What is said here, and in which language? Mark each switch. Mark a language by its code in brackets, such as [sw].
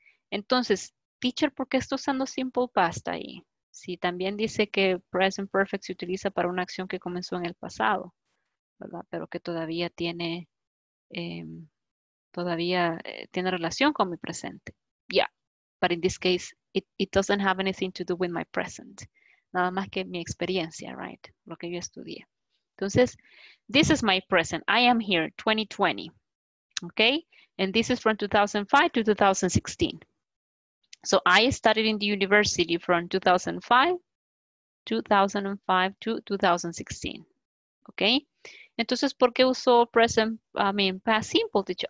[es] Entonces, teacher, ¿por qué está usando simple past ahí? Si también dice que present perfect se utiliza para una acción que comenzó en el pasado, ¿verdad? Pero que todavía tiene tiene relación con mi presente. [en] Yeah, but in this case, it doesn't have anything to do with my present. [es] Nada más que mi experiencia, [en] right? [es] Lo que yo estudié. Entonces, [en] this is my present. I am here, 2020. Okay? And this is from 2005 to 2016. So I studied in the university from 2005 to 2016. Okay? [es] Entonces, ¿por qué usó present, past simple, teacher?